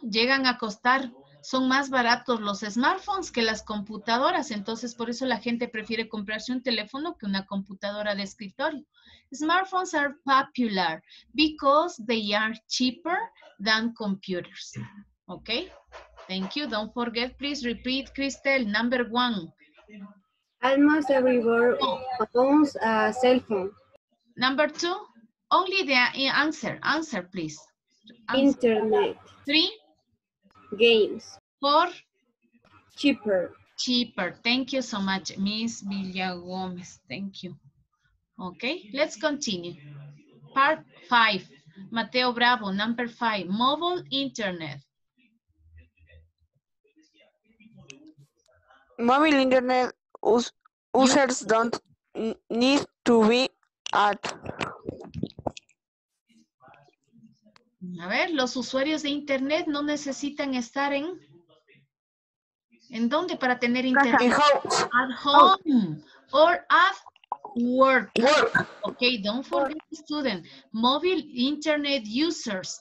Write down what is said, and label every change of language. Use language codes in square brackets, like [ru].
[es] Llegan a costar, son más baratos los smartphones que las computadoras. Entonces, por eso la gente prefiere comprarse un teléfono que una computadora de escritorio. [en] Smartphones are popular because they are cheaper than computers. Ok. Thank you. Don't forget, please repeat, Christelle. Number one. Almost everyone owns a cell phone. Number two. Only the answer. Answer, please. Answer. Internet. Three. Games. Four. Cheaper. Cheaper. Thank you so much, Miss Villa Gomez. Thank you. Ok. Let's continue. Part five. Mateo Bravo, number five, mobile internet. Mobile internet users don't need to be at. [es] A ver, los usuarios de internet no necesitan estar en. ¿En dónde para tener internet? [en] In home. At home. Oh. Or at. Work. Work. Ok, don't forget, student. Mobile internet users.